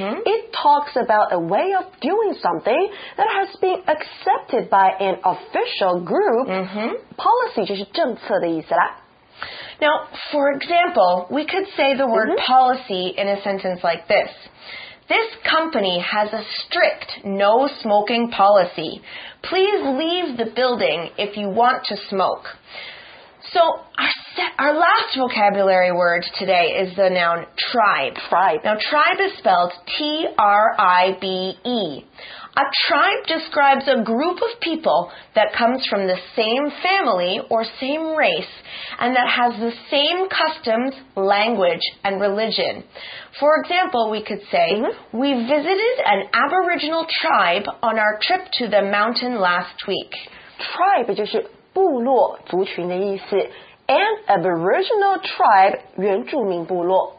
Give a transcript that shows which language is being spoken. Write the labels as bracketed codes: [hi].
[en] It talks about a way of doing something that has been accepted by an official group. [zh] Policy就是政策的意思啦。 [en] Now, for example, we could say the word policy in a sentence like this. This company has a strict no smoking policy. Please leave the building if you want to smoke. So, our Our last vocabulary word today is the noun tribe. Tribe. Now, tribe is spelled T-R-I-B-E. A tribe describes a group of people that comes from the same family or same race and that has the same customs, language, and religion. For example, we could say, We visited an Aboriginal tribe on our trip to the mountain last week. [zh] Tribe 就是部落族群的意思。 [en] An Aboriginal tribe, [zh] 原住民部落。